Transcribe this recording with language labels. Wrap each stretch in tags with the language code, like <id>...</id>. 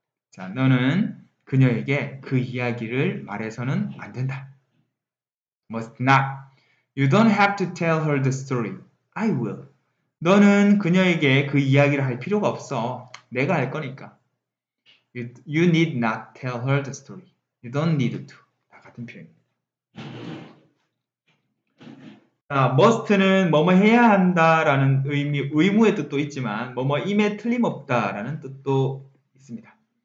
<ko>자, 너는 그녀에게 그 이야기를 말해서는 안 된다.</ko> <en>Must not. You don't have to tell her the story. I will.</en> <ko>너는 그녀에게 그 이야기를 할 필요가 없어. 내가 할 거니까.</ko> <en>You need not tell her the story. You don't need to.</en> <ko>다 같은 표현입니다. 아, must는 뭐뭐 해야 한다라는 의미, 의무의 뜻도 있지만 뭐뭐임에 틀림없다라는 뜻도 있습니다.</ko>